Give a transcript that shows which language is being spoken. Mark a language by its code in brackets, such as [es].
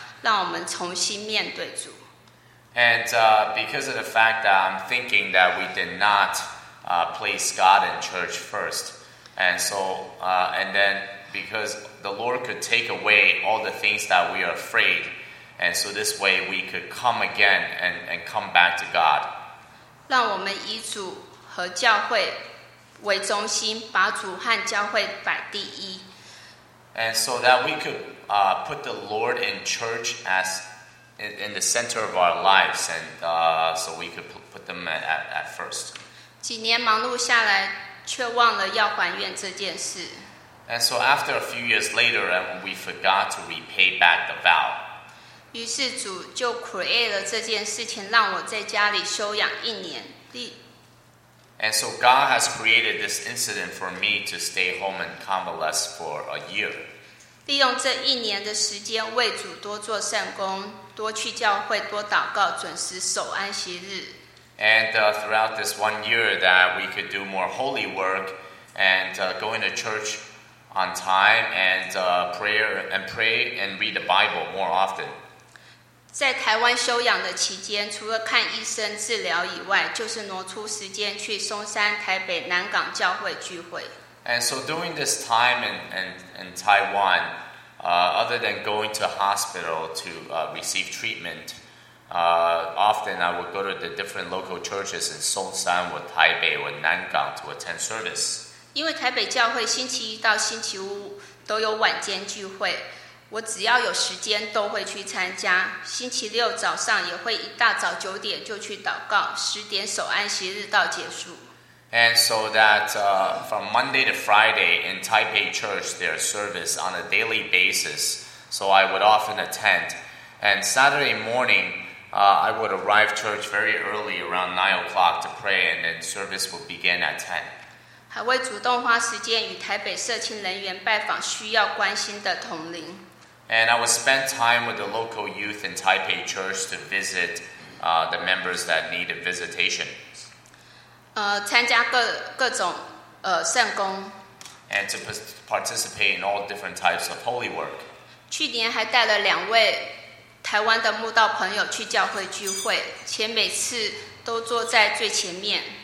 [zh] 让我们重新面对主。 [en] And because of the fact that I'm thinking that we did not place God in church first, and so and then because the Lord could take away all the things that we are afraid, and so this way we could come again and come back to God. [zh] 让我们以主和教会为中心，把主和教会摆第一。 [en] And so that we could put the Lord in church as in the center of our lives, and so we could put them at first. [zh] 几年忙碌下来，却忘了要还愿这件事。 [en] And so after a few years later, we forgot to repay back the vow. [zh] 于是主就 create 了这件事情，让我在家里休养一年。 [en] And so God has created this incident for me to stay home and convalesce for a year. [zh] 利用这一年的时间为主多做善工，多去教会，多祷告，准时守安息日。 [en] And throughout this one year that we could do more holy work and going to church on time and prayer and pray and read the Bible more often. [zh] 在台湾休养的期间，除了看医生治疗以外，就是挪出时间去松山、台北、南港教会聚会。 [en] And so during this time in Taiwan, other than going to hospital to receive treatment, often I would go to the different local churches in Songshan or Taipei or Nangang to attend service. [zh] 因为台北教会星期一到星期五都有晚间聚会，我只要有时间都会去参加。星期六早上也会一大早九点就去祷告，十点守安息日到结束。 [en] And so that from Monday to Friday in Taipei Church, their service on a daily basis, so I would often attend. And Saturday morning, I would arrive church very early around 9 o'clock to pray, and then service would begin at 10. [zh] 还会主动花时间与台北社青人员拜访需要关心的同龄。 [en] And I would spend time with the local youth in Taipei Church to visit the members that need a visitation. [zh] 参加各种圣工， [en] and to participate in all different types of holy work. [zh] 去年还带了两位台湾的慕道朋友去教会聚会，且每次都坐在最前面。